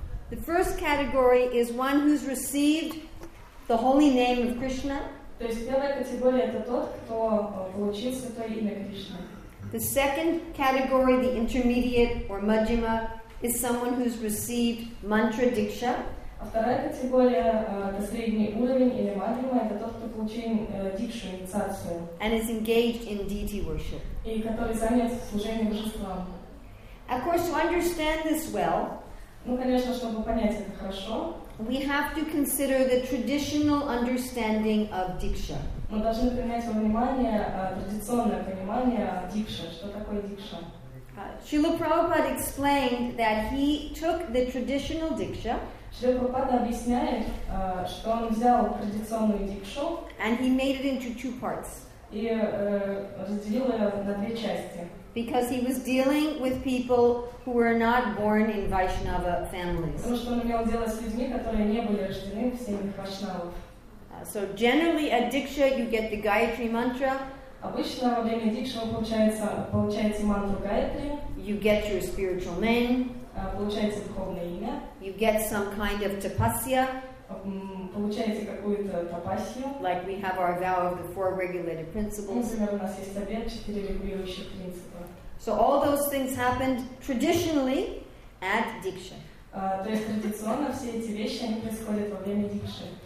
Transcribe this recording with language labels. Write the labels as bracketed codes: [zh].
[en] The first category is one who's received the holy name of Krishna. [ru] То есть первая категория это тот, кто получил святое имя Кришны. [en] The second category, the intermediate or Majjhima, is someone who's received mantra diksha. [ru] А вторая категория, это средний уровень или маджима, это тот, кто получил дикшу, инициацию. [en] And is engaged in deity worship. [ru] И который занят служением божествам. [en] Of course, to understand this well, [ru] ну, конечно, чтобы понять это хорошо, [en] we have to consider the traditional understanding of diksha. [ru] Мы должны принять во внимание традиционное понимание дикша, что такое дикша. [en] Srila Prabhupada explained that he took the traditional diksha. [ru] Srila Prabhupada объясняет, что он взял традиционную дикшу. [en] And he made it into two parts. [ru] И разделил ее на две части. [en] Because he was dealing with people who were not born in Vaishnava families. [ru] Потому что он имел дело с людьми, которые не были рождены в семьях вайшнавов. [en] So generally, a diksha, you get the Gayatri mantra. [ru] Обычно во время дикши вы получаете мантру Гайатри. [en] You get your spiritual name. [ru] Получаете духовное имя. [en] You get some kind of tapasya. [ru] Получаете какую-то тапасью. [en] Like we have our vow of the four regulated principles. [ru] Например, у нас есть обет четыре регулирующие принципа. [en] So all those things happened traditionally at diksha. [ru] То есть традиционно все эти вещи они происходят во время дикши.